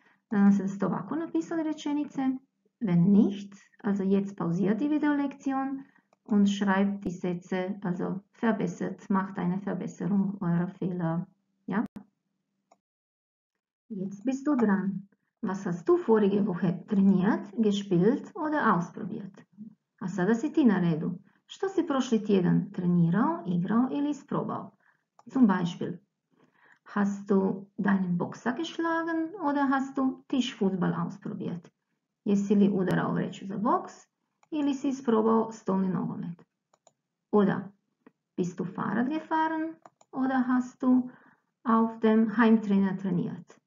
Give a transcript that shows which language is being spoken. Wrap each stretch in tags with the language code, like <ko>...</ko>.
<de>Dann hast du das Tobacco</de> <hr>napisali rečenice.</hr> <de>Wenn nicht, also jetzt pausiert die Videolektion und schreibt die Sätze, also verbessert, macht eine Verbesserung eurer Fehler. Ja? Jetzt bist du dran. Was hast du vorige Woche trainiert, gespielt oder ausprobiert?</de> <hr>A sada si ti na redu. Što si prošli tjedan trenirao, igrao ili isprobao?</hr> <de>Zum Beispiel, hast du deinen Boxer geschlagen oder hast du Tischfußball ausprobiert?</de> <hr>Jesi li udarao vreću za boks ili si isprobao stolni nogomet?</hr> <de>Oder, bist du Fahrrad gefahren oder hast du auf dem Heimtrainer trainiert?</de>